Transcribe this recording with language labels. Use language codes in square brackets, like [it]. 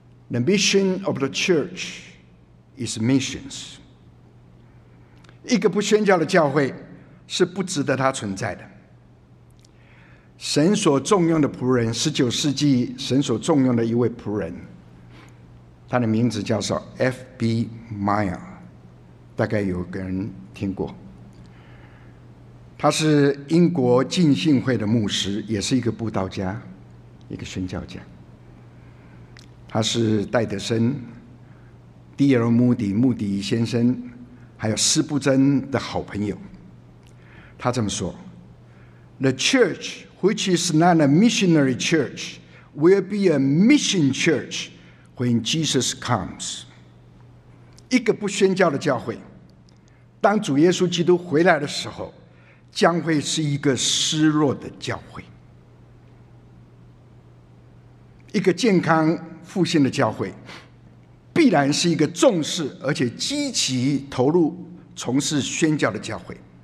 [en] The mission of the church is missions。 [zh] 一个不宣教的教会是不值得它存在的。神所重用的仆人，19世纪神所重用的一位仆人，他的名字叫做 F.B. Meyer， 大概有个人听过。他是英国浸信会的牧师，也是一个布道家，一个宣教家。他是戴德森、D.L. Moody、穆迪先生还有斯布珍的好朋友。他这么说， [en] The church which is not a missionary church will be a mission church when Jesus comes。 [zh] 一个不宣教的教会，当主耶稣基督回来的时候，将会是一个失落的教会。一个健康复兴的教会必然是一个重视而且积极投入从事宣教的教会。